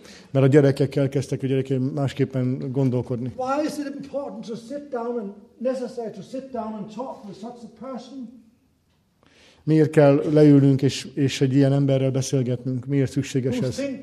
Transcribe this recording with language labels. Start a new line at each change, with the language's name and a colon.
Hungarian: Mert a gyerekekkel kezdtek, hogy gyerekek másképpen gondolkodni.
English: Why is it important to sit down and necessary to sit down and talk with such a person?
Hungarian: Miért kell leülnünk és egy ilyen emberrel beszélgetnünk? Miért szükséges ez?